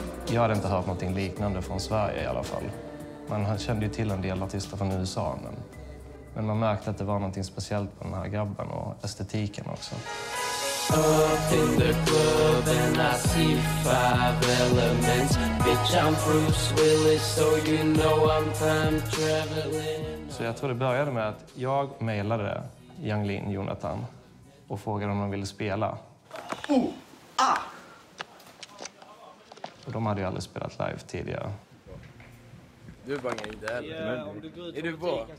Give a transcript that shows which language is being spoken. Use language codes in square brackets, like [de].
[sv] Jag hade inte hört någonting liknande från Sverige i alla fall. Man kände ju till en del artister från USA, men man märkte att det var någonting speciellt med den här grabben och estetiken också. [en] Up in the club and I see five elements. Bitch, I'm Bruce Willis, so you know I'm time traveling. [sv] Så jag tror det började med att jag mailade Yung Lean, Jonathan, och frågade om de ville spela. Oh! Ah! Och de hade ju aldrig spelat live tidigare. Du bangar inte heller. Men... Är du bra?